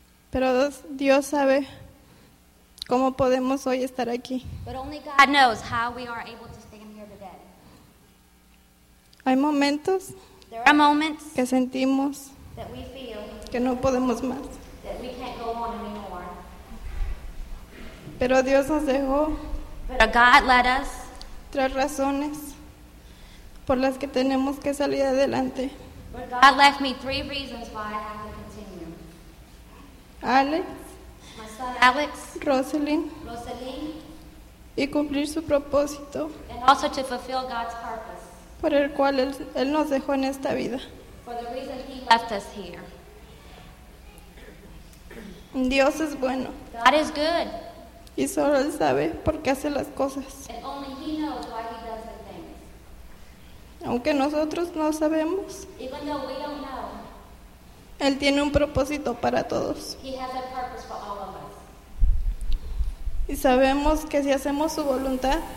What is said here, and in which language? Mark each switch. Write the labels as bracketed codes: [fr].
[es] Pero Dios sabe cómo podemos hoy estar aquí. [en] But only God knows how we are able to stand here today. [es] Hay momentos que sentimos [en] that we feel [es] que no podemos más. [en] That we can't go on anymore. [es] Pero Dios nos dejó [en] God led us [es] tres razones por las que tenemos que salir adelante. [en] God left me three reasons why I have to continue. [es] Alex. [en] My son Alex. [es] Rosalyn. Y cumplir su propósito. [en] And also to fulfill God's purpose. [es] Por el cual él nos dejó en esta vida. [en] For the reason he left us here. [es] Dios es bueno. [en] God is good. [es] Y solo él sabe por qué hace las cosas. [en] And only he knows why he does the things. [es] Aunque nosotros no sabemos. [en] Even though we don't know. [es] Él tiene un propósito para todos. [en] He has a purpose for all of us. [es] Y sabemos que si hacemos su voluntad.